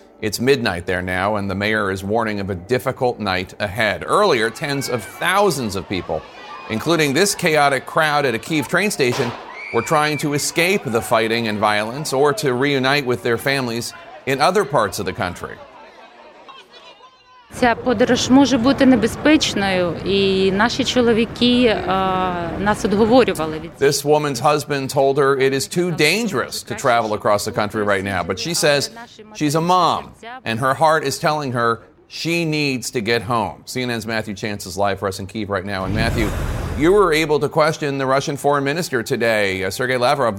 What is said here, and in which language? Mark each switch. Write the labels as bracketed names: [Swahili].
[English] It's midnight there now, and the mayor is warning of a difficult night ahead. Earlier, tens of thousands of people, including this chaotic crowd at a Kyiv train station, were trying to escape the fighting and violence or to reunite with their families in other parts of the country. [Ukrainian] Ця подорож може бути небезпечною, і наші чоловіки нас відговорювали від. [English] This woman's husband told her it is too dangerous to travel across the country right now, but she says she's a mom and her heart is telling her she needs to get home. CNN's Matthew Chance is live for us in Kyiv right now. And Matthew, you were able to question the Russian foreign minister today, Sergei Lavrov.